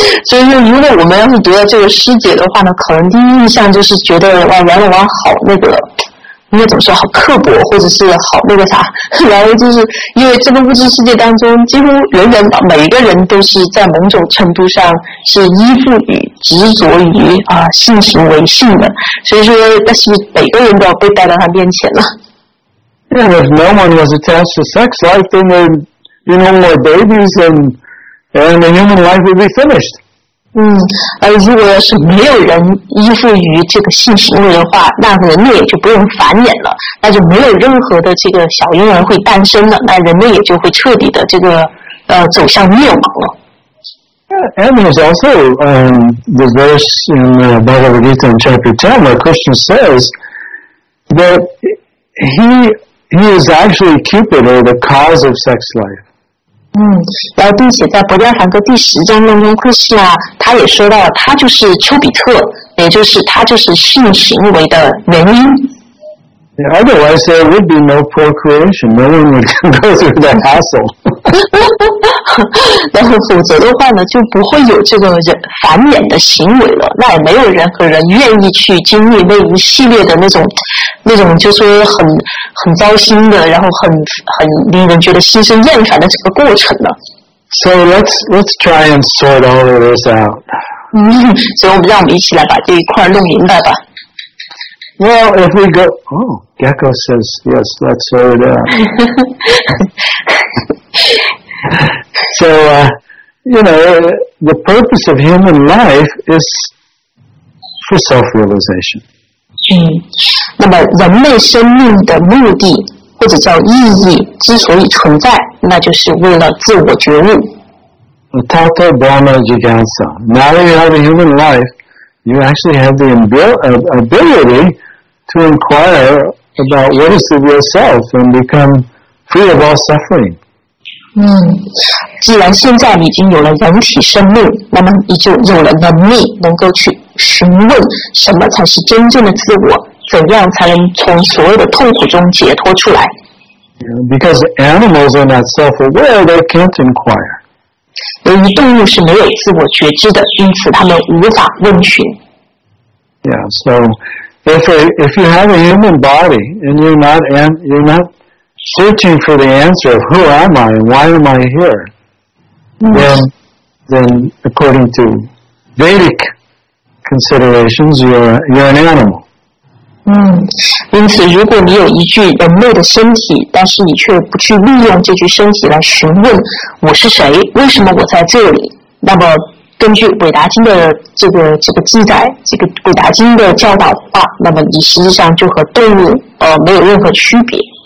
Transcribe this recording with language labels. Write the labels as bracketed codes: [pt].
[zh] 所以如果我们要是读到这个师姐的话呢，可能第一印象就是觉得，哇，原来我好那个，应该怎么说，好刻薄，或者是好那个啥。然后就是因为这个物质世界当中，几乎人人每一个人都是在某种程度上是依附于执着于性行为性的，所以说但是每个人都要被带到他面前了。 [en] And if no one was attached to sex life, then there'd be no more babies and the human life would be finished. [zh] 而如果要是没有人依附于这个性行为的话，那人类也就不用繁衍了，那就没有任何的这个小婴儿会诞生了，那人类也就会彻底的这个走向灭亡了。 [en] And there's also the verse in the Bhagavad Gita in chapter 10 where Krishna says that he is actually Cupid or the cause of sex life. [zh] 然后并且在《薄伽梵歌》第十章当中，库西拉他也说到了，他就是丘比特，也就是他就是性行为的原因。 [en] Otherwise, there would be no procreation. No one would go through that hassle. [zh] 然后否则的话呢，就不会有这个繁衍的行为了。那也没有人和人愿意去经历那一系列的那种，就说很糟心的，然后很令人觉得心生厌烦的这个过程了。 [en] So let's try and sort all of this out. [zh] 所以我们让我们一起来把这一块弄明白吧。 [en] Well, if we go, oh, Gecko says, yes, let's sort it out. So, you know, the purpose of human life is for self-realization. [zh] 那么人类生命的目的或者叫意义之所以存在，那就是为了自我觉悟。 [sa] Tata Brahma Jigansa. [en] Now that you have a human life, you actually have the ability to inquire about what is the real self and become free of all suffering. [zh] 既然现在已经有了人体生命，那么你就有了能力能够去询问什么才是真正的自我，怎样才能从所有的痛苦中解脱出来。 [en] Because animals are not self-aware, they can't inquire. [zh] 由于动物是没有自我觉知的，因此他们无法问询。 [en] Yeah, so... If you have a human body and you're not searching for the answer of who am I and why am I here, then according to Vedic considerations, you're an animal. [zh] 嗯，因此如果你有一具人类的身体，但是你却不去利用这具身体来询问我是谁，为什么我在这里，那么根据韦达经的这个记载，这个韦达经的教导的话，那么你实际上就和动物没有任何区别。